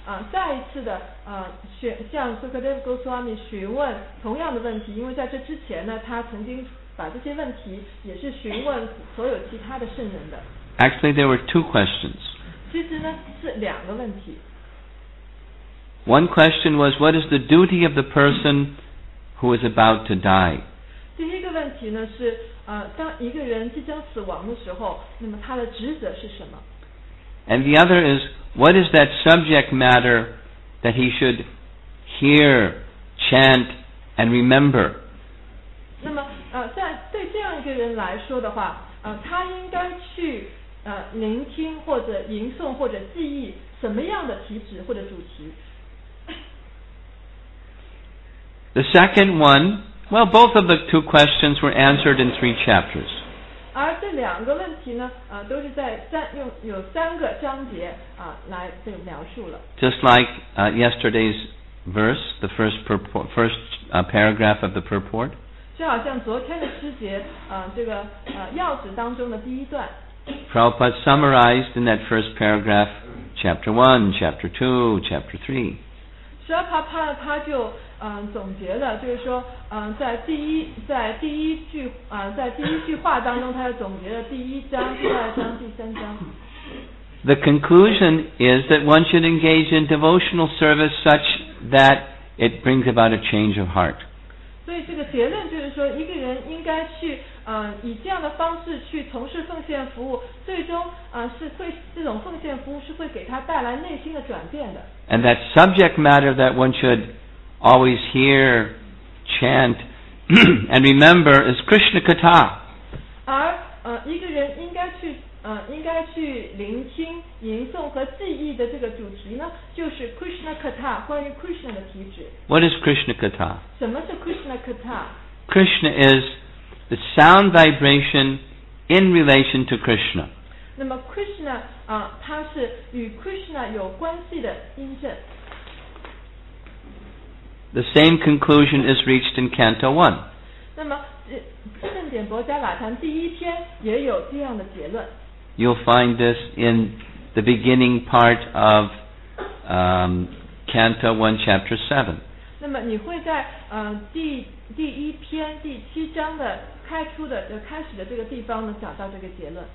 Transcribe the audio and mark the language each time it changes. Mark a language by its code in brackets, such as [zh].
[zh] 再一次的向 Sukadeva Goswami 询问同样的问题，因为在这之前呢，他曾经把这些问题也是询问所有其他的圣人的。 [en] Actually, there were two questions. [zh] 其实呢是两个问题。 [en] One question was, what is the duty of the person who is about to die? [zh] 第一个问题呢是当一个人即将死亡的时候，那么他的职责是什么？ [en] And the other is, what is that subject matter that he should hear, chant, and remember? [zh] 那么在对这样一个人来说的话，他应该去聆听或者吟诵或者记忆什么样的题旨或者主题？ [en] The second one, well, both of the two questions were answered in three chapters. [zh] 而这两个问题呢，都是在有三个章节来描述了。 [en] Just like yesterday's verse, the first paragraph of the purport. [zh] 就好像昨天的诗节要旨当中的第一段。 [en] Prabhupada summarized in that first paragraph, chapter 1, chapter 2, chapter 3. [zh] 沙帕帕他就总结了，就是说，在第一句话当中，他就总结了第一章、第二章、第三章。 [en] The conclusion is that one should engage in devotional service such that it brings about a change of heart. [zh] 所以这个结论就是说，一个人应该去以这样的方式去从事奉献服务，最终是会这种奉献服务是会给他带来内心的转变的。 [en] And that subject matter that one should always hear, chant, and remember is Krishna Katha. [zh] 而一个人应该去聆听、吟诵和记忆的这个主题呢，就是 Krishna Katha， 关于 Krishna 的题旨。 [en] What is Krishna Katha? [zh] 什么是 Krishna Katha? [en] Krishna is the sound vibration in relation to Krishna. [zh] 那么 Krishna 它是与 Krishna 有关系的音声。 [en] The same conclusion is reached in Canto 1. [zh] 那么圣典薄伽瓦檀第一篇也有这样的结论。 [en] You'll find this in the beginning part of Canto 1, Chapter 7. [zh] 那么你会在第一篇第七章的开始的这个地方呢找到这个结论。